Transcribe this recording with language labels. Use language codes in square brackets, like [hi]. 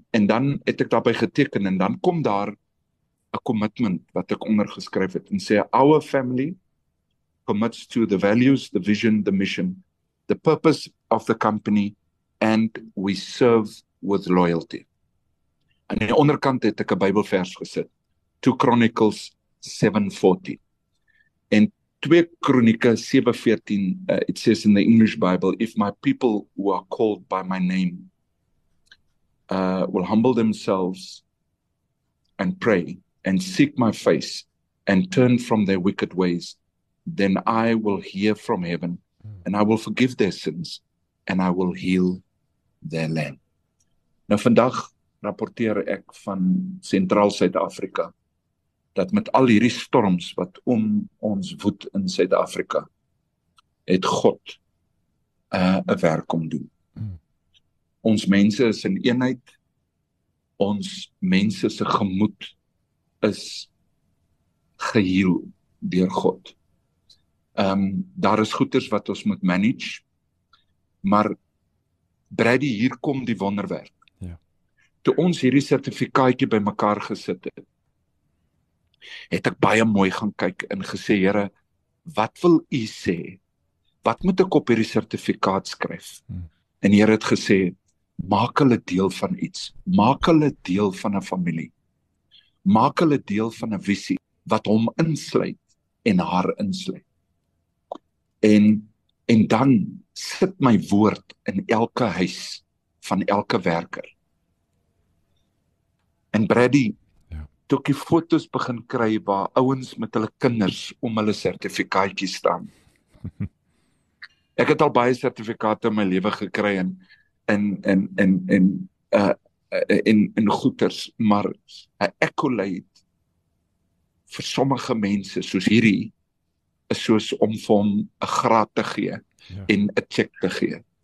[af] En dan het ek daarby geteken, en dan kom daar 'n commitment wat ek ondergeskryf het, en sê, [en] our family commits to the values, the vision, the mission, the purpose of the company, and we serve with loyalty. [af] En aan die onderkant het ek 'n Bybelvers gesit, 2 Chronicles 7:14. En 2 Kronieke 7:14, [en] it says in the English Bible, if my people who are called by my name will humble themselves and pray and seek my face and turn from their wicked ways, then I will hear from heaven and I will forgive their sins and I will heal their land. [af] Nou vandag rapporteer ek van Sentraal Suid-Afrika dat met al hierdie storms wat om ons woed in Suid-Afrika, het God 'n werk om doen. Ons mense is in eenheid. Ons mense se gemoed is geheel deur God. Daar is goeders wat ons moet manage, maar Brady, hier kom die wonderwerk. Ja. Toe ons hierdie sertifikaatjie by mekaar gesit het, het ek baie mooi gaan kyk en gesê, Here, wat wil U sê? Wat moet ek op hierdie sertifikaat skryf? En Here het gesê, maak hulle deel van iets. Maak hulle deel van 'n familie. Maak hulle deel van 'n visie wat hom insluit en haar insluit. En dan sit my woord in elke huis van elke werker. En Brady, toe ek die foto's begin kry waar ouens met hulle kinders om hulle sertifikaatjie staan, Ek het al baie sertifikate in my lewe gekry in goeders, maar 'n accolade vir sommige mense soos hierdie is soos om vir hom 'n graad te gee en 'n check te gee.